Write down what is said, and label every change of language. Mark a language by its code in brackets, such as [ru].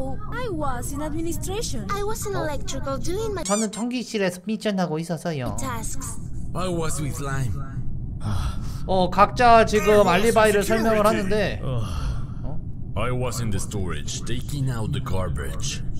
[en] I was in administration. I was in electrical doing my. [ko] 저는 전기실에서 미션하고 있었어요. [en] I was with lime. [ko] 어, 각자 지금 알리바이를 설명을 하는데. [en] I was in the storage taking out the garbage.